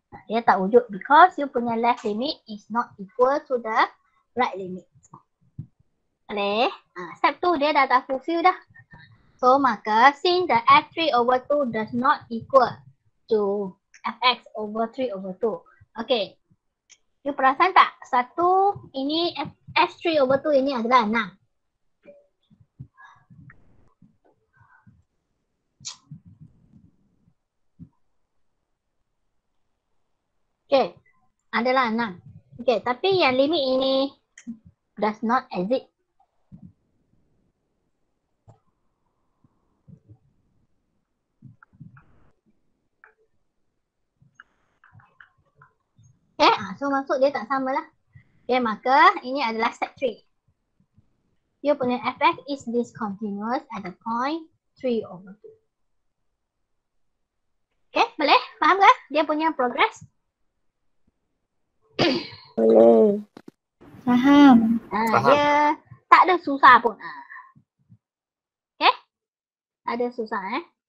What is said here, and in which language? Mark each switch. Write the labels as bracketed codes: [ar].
[ms] Dia tak wujud [en] because you punya left limit is not equal to the right limit. Boleh? Step 2 [ms] dia dah tak fulfill dah. [en] So maka since the f3 over 2 does not equal to fx over 3 over 2. [ms] Okay. You perasan tak? Satu ini f3 over 2 ini adalah 6. Okay. Adalah 6. Okay. Tapi yang limit ini [en] does not exist. [ms] Okay, so maksud dia tak sama lah. Okay, maka ini adalah step 3. You punya [en] fx is discontinuous at the point 3 over 2. [ms] Okay, boleh? Faham ke? Dia punya progress? Boleh. Faham. Dia tak ada susah pun. Okay? Ada susah eh.